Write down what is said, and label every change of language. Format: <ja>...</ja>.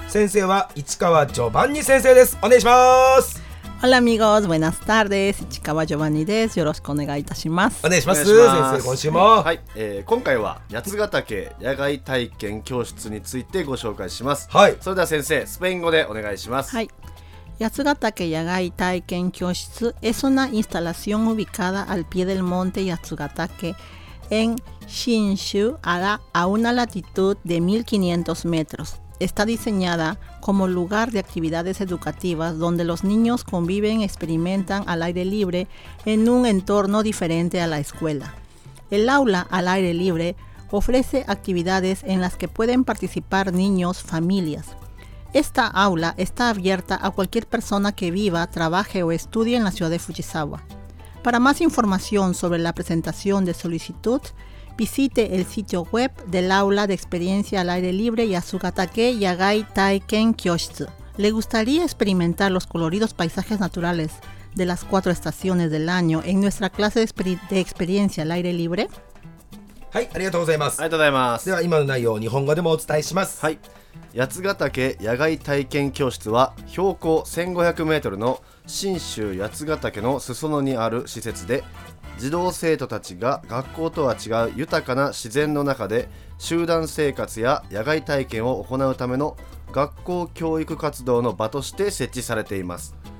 <ja>先生は市川ジョバンニ先生です。お願いします。ハラミゴーズ、ブエナスタールです。市川ジョバンニです。よろしくお願いいたします。お願いします。先生今週も、はい、今回は八ヶ岳野外体験教室についてご紹介します。はい、それでは先生スペイン語でお願いします。</ja> <es>はい、八ヶ岳野外体験教室 es una instalación ubicada al pie del monte Yatsugatake en Shinshu a una latitud de 1500 metros. Está diseñada como lugar de actividades educativas donde los niños conviven y experimentan al aire libre en un entorno diferente a la escuela. El aula al aire libre ofrece actividades en las que pueden participar niños, familias. Esta aula está abierta a cualquier persona que viva, trabaje o estudie en la ciudad de Fujisawa. Para más información sobre la presentación de solicitud, visite el sitio web del aula de experiencia al aire libre Yatsugatake Yagai Taiken Kyoshitsu. ¿Le gustaría experimentar los coloridos paisajes naturales de las cuatro estaciones del año en nuestra clase de experiencia al aire libre?</es> <ja>はい、ありがとうございます。ありがとうございます。では今の内容を日本語でもお伝えします。はい、八ヶ岳野外体験教室は標高1500メートルの信州八ヶ岳の裾野にある施設で、児童生徒たちが学校とは違う豊かな自然の中で集団生活や野外体験を行うための学校教育活動の場として設置されています。</ja>